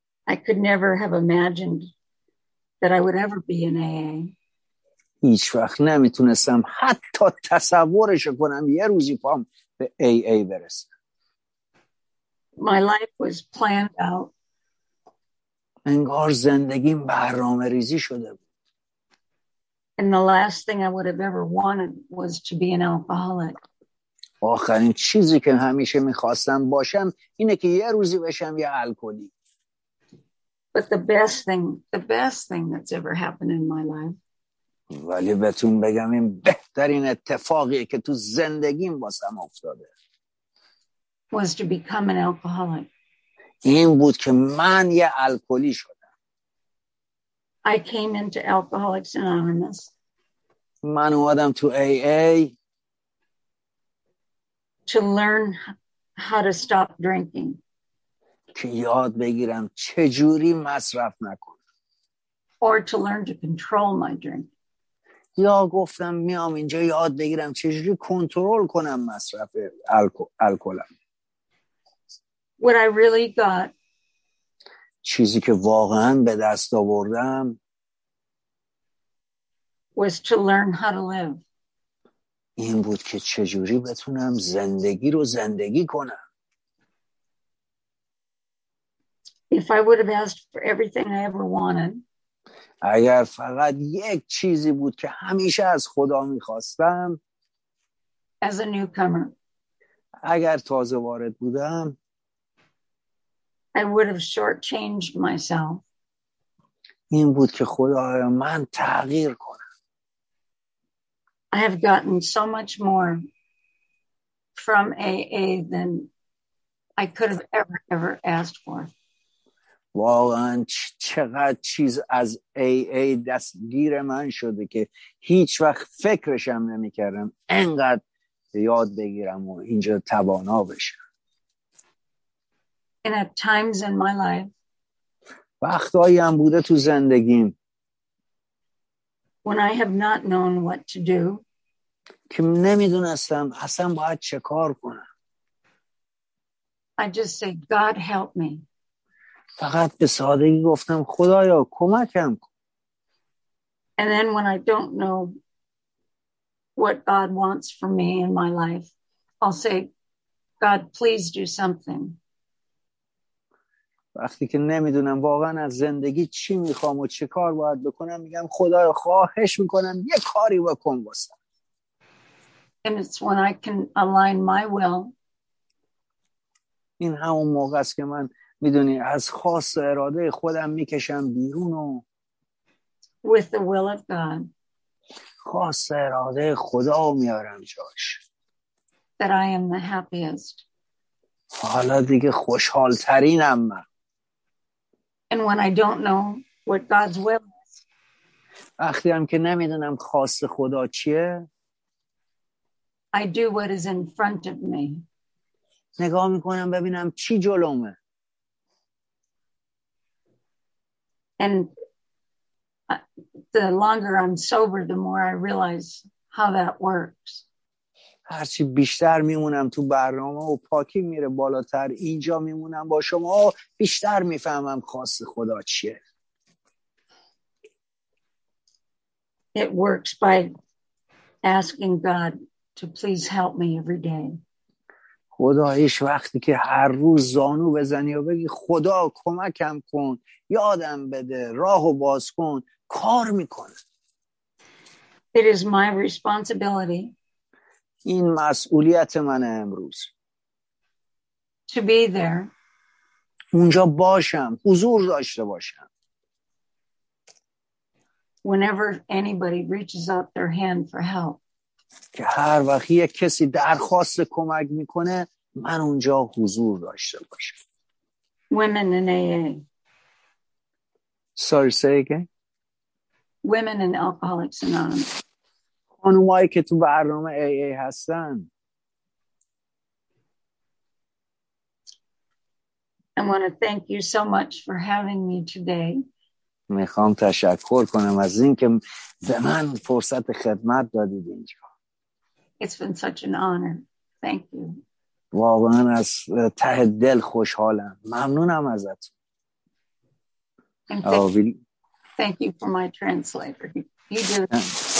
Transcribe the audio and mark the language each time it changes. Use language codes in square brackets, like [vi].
[en] I could never have imagined that I would ever be in AA. [fa] هیچ وقت نمیتونستم حتی تصورش کنم یه روزی پام به AA برسم. [en] My life was planned out. [fa] انگار زندگیم برنامه ریزی شده بود. [en] And the last thing I would have ever wanted was to be an alcoholic. [fa] آخرین چیزی که همیشه میخواستم باشم اینه که یه روزی بشم یه الکلی. [en] But the best thing that's ever happened in my life. [fa] ولی بهتون بگم این بهترین اتفاقیه که تو زندگیم واسم افتاده. [en] Was to become an alcoholic. [fa] این بود که من یه الکلی شدم. [en] I came into Alcoholics Anonymous. [fa] من اومدم تو AA. [en] To learn how to stop drinking. [fa] که یاد بگیرم چجوری مصرف نکنم. [en] Or to learn to control my drink. [fa] یا گفتم میام اینجا یاد بگیرم چجوری کنترل کنم مصرف الکلم. [en] What I really got [fa] چیزی که واقعا به دست آوردم [en] was to learn how to live. [fa] این بود که چجوری بتونم زندگی رو زندگی کنم. [en] If I would have asked for everything I ever wanted. [fa] اگر فقط یک چیزی بود که همیشه از خدا می‌خواستم. [en] As a newcomer. [fa] اگر تازه وارد بودم. [en] I would have shortchanged myself. [fa] این بود که خدایا من تغییر کنم. [en] I have gotten so much more from AA than I could have ever asked for. [fa] واقعا چقدر چیز از AA دستگیر من شده که هیچ وقت فکرشم نمی کردم انقدر یاد بگیرم و اینجا توانا بشم. [en] In a times in my life, [fa] وقتایی هم بوده تو زندگیم [en] when I have not known what to do, [fa] که نمی دونستم اصلا باید چه کار کنم. [en] I just say, God help me. [fa] فقط به سادگی گفتم خدایا کمکم کن. [en] And then when I don't know what God wants for me in my life, I'll say, God, please do something. [fa] وقتی که نمیدونم واقعا از زندگی چی میخوام و چه کار باید بکنم میگم خدایا خواهش میکنم یه کاری بکن واسم. [en] And it's when I can align my will. [fa] این همون موقع است که من میدونی از خواست و اراده خودم میکشم بیرون و [en] with the will of God, [fa] خواست و اراده خدا رو میارم جاش. [en] That I am the happiest. [fa] حالا دیگه خوشحال ترینم من. [en] And when I don't know what God's will is, [fa] وقتی هم که نمیدونم خواست خدا چیه, [en] I do what is in front of me. [fa] نگاه میکنم ببینم چی جلومه. [en] And the longer I'm sober, the more I realize how that works. [fa] هرچی بیشتر میمونم تو برنامه و پاکی میره بالاتر, اینجا میمونم با شما بیشتر میفهمم خواست خدا چیه. [en] It works by asking God to please help me every day. [fa] خداییش وقتی که هر روز زانو بزنی و بگی خدا کمکم کن, یادم بده, راهو باز کن, کار میکنه. [en] It is my responsibility. [fa] این مسئولیت منه امروز. [en] To be there. [fa] اونجا باشم, حضور داشته باشم. [en] Whenever anybody reaches out their hand for help. [fa] که هر وقت یک کسی درخواست کمک میکنه, من اونجا حضور داشته باشم. [en] Women in AA. Sorry, say again. Women in Alcoholics Anonymous. [fa] خانومایی که تو برنامه AA هستن. [en] I want to thank you so much for having me today. [fa] میخوام تشکر کنم از اینکه به من فرصت خدمت دادید اینجا. [en] It's been such an honor. Thank you. [fa] واقعا از ته دل خوشحالم, ممنونم ازت. [en] Thank you for my translator, he did it.